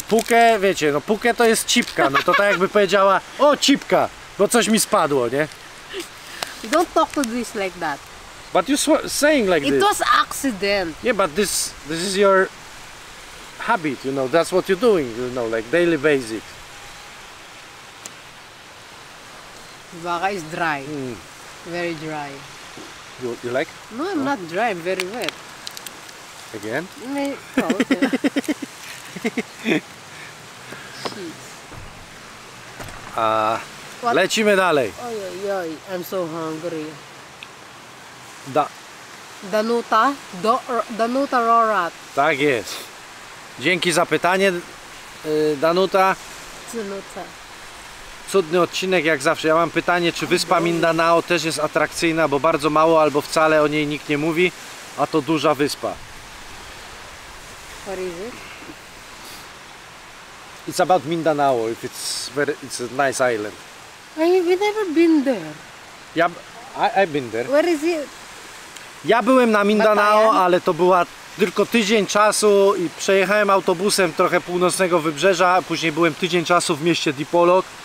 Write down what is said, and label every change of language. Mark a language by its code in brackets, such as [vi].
[pl] Puke, wiecie, no puke to jest cipka. No to tak jakby powiedziała, o cipka, bo coś mi spadło, nie? [en] Don't talk to this like that. But you're saying like it this. It was accident. Yeah, but this is your habit, you know. That's what you're doing, you know, like daily basic. Vaga is dry. Mm. Very dry. You like? No, I'm not dry, I'm very wet. Again? Maybe, yeah. Jeez. [pl] Lecimy dalej. [en] Oj, I'm so hungry. [pl] Danuta? Danuta Rorat. Tak jest. Dzięki za pytanie, Danuta. Danuta. Cudny odcinek jak zawsze. Ja mam pytanie, czy wyspa Mindanao też jest atrakcyjna, bo bardzo mało albo wcale o niej nikt nie mówi, a to duża wyspa. [en] What is it? It's about Mindanao, if it's very, it's a nice island. I've never been there. I've been there. Where is it? [pl] Ja byłem na Mindanao, ale to była tylko tydzień czasu i przejechałem autobusem trochę północnego wybrzeża, później byłem tydzień czasu w mieście Dipolog.